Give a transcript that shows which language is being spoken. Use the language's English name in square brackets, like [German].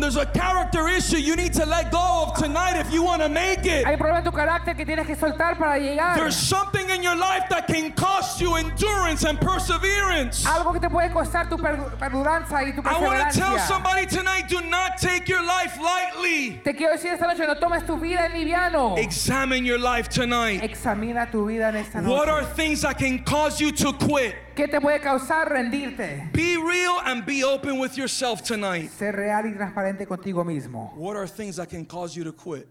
[English] There's a character issue you need to let go of tonight if you want to make it. [Spanish] Hay problema en tu carácter que tienes que soltar para llegar. [English] There's something in your life that can cost you endurance and perseverance. [Spanish] Algo que te puede costar tu perduranza y tu perseverancia. [English] I want to tell somebody tonight, do not take your life lightly. [Spanish] Te quiero decir esta noche, no tomes tu vida en liviano. [English] Examine your life tonight. [Spanish] Examina tu vida en esta noche. [English] What are things that can cause you to quit? [Spanish] ¿Qué te puede causar rendirte? [English] Be real and be open with yourself tonight. [Spanish] Sé real y transparente contigo mismo. [English] What are things that can cause you to quit?